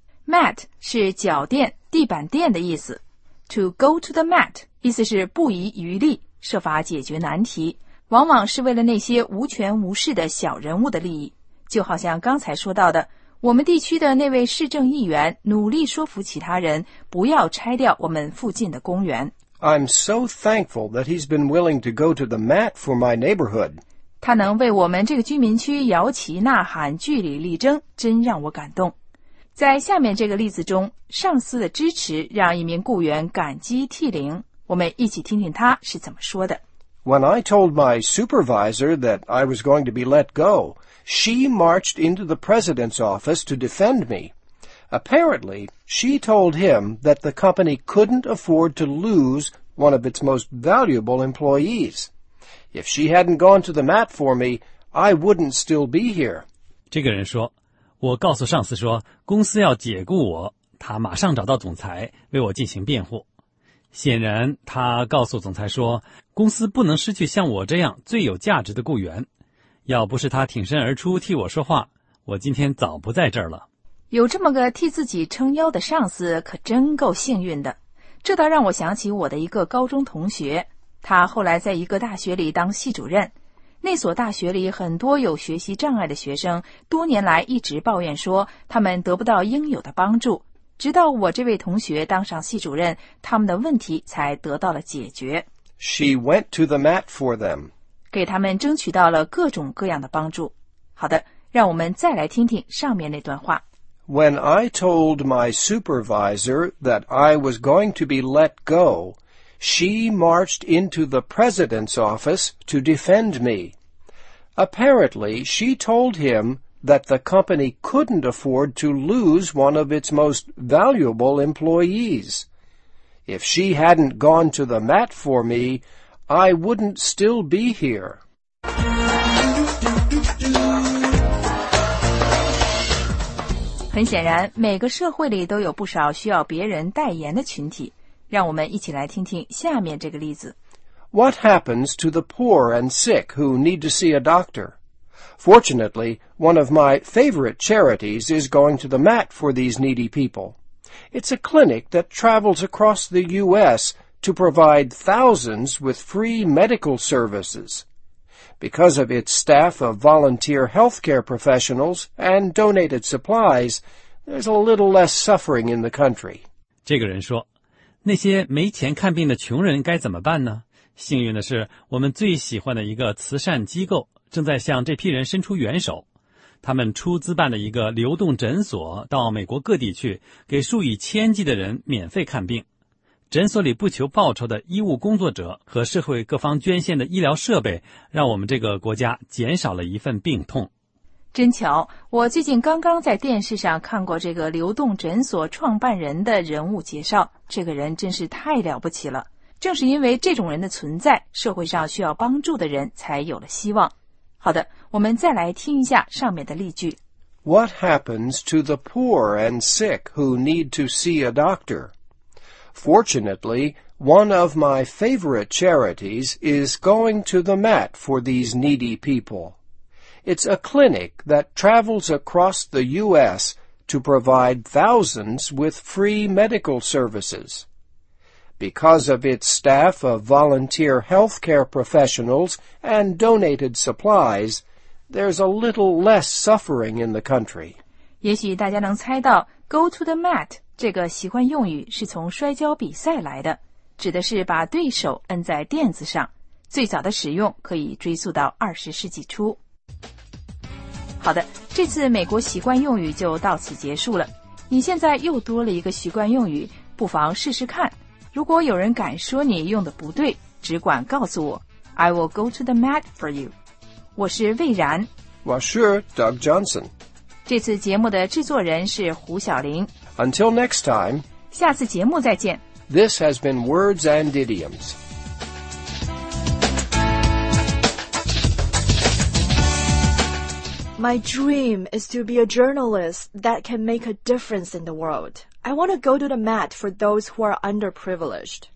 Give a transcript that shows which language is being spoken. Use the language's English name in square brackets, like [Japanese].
[Chinese] Mat 是脚垫、地板垫的意思。To go to the mat 意思是不遗余力，设法解决难题，往往是为了那些无权无势的小人物的利益。就好像刚才说到的，我们地区的那位市政议员努力说服其他人不要拆掉我们附近的公园。 [English] I'm so thankful that he's been willing to go to the mat for my neighborhood. [Chinese] 他能为我们这个居民区摇旗呐喊、据理力争，真让我感动。在下面这个例子中，上司的支持让一名雇员感激涕零。我们一起听听他是怎么说的。 [English] When I told my supervisor that I was going to be let go, she marched into the president's office to defend me. Apparently, she told him that the company couldn't afford to lose one of its most valuable employees. If she hadn't gone to the mat for me, I wouldn't still be here. [Chinese] 这个人说，我告诉上司说，公司要解雇我，他马上找到总裁，为我进行辩护。显然，他告诉总裁说，公司不能失去像我这样最有价值的雇员。要不是他挺身而出替我说话，我今天早不在这儿了。有这么个替自己撑腰的上司，可真够幸运的。这倒让我想起我的一个高中同学，他后来在一个大学里当系主任。那所大学里很多有学习障碍的学生，多年来一直抱怨说，他们得不到应有的帮助。直到我这位同学当上系主任，他们的问题才得到了解决。 [English] She went to the mat for them. [Chinese] 给他们争取到了各种各样的帮助。好的，让我们再来听听上面那段话。 [English] When I told my supervisor that I was going to be let go, she marched into the president's office to defend me. Apparently, she told him,that the company couldn't afford to lose one of its most valuable employees. If she hadn't gone to the mat for me, I wouldn't still be here. [Chinese] 很显然，每个社会里都有不少需要别人代言的群体。让我们一起来听听下面这个例子。 [English] What happens to the poor and sick who need to see a doctor? Fortunately, one of my favorite charities is going to the mat for these needy people. It's a clinic that travels across the U.S. to provide thousands with free medical services. Because of its staff of volunteer healthcare professionals and donated supplies, there's a little less suffering in the country. [Chinese] 这个人说，那些没钱看病的穷人该怎么办呢？幸运的是，我们最喜欢的一个慈善机构正在向这批人伸出援手，他们出资办的一个流动诊所到美国各地去，给数以千计的人免费看病。诊所里不求报酬的医务工作者和社会各方捐献的医疗设备，让我们这个国家减少了一份病痛。真巧，我最近刚刚在电视上看过这个流动诊所创办人的人物介绍，这个人真是太了不起了。正是因为这种人的存在，社会上需要帮助的人才有了希望。好的，我们再来听一下上面的例句。 [English] What happens to the poor and sick who need to see a doctor? Fortunately, one of my favorite charities is going to the mat for these needy people. It's a clinic that travels across the U.S. to provide thousands with free medical services. Because of its staff of volunteer healthcare professionals and donated supplies, there's a little less suffering in the country. [Chinese] 也许大家能猜到 go to the mat 这个习惯用语是从摔跤比赛来的，指的是把对手摁在垫子上。最早的使用可以追溯到20世纪初。好的，这次美国习惯用语就到此结束了。你现在又多了一个习惯用语，不妨试试看。如果有人敢说你用的不对，只管告诉我。 [English] I will go to the mat for you. [Chinese] 我是魏然。我是 Doug Johnson. 这次节目的制作人是胡晓玲。 [English] Until next time. [Chinese] 下次节目再见。 [English] This has been Words and Idioms. My dream is to be a journalist that can make a difference in the world. I want to go to the mat for those who are underprivileged.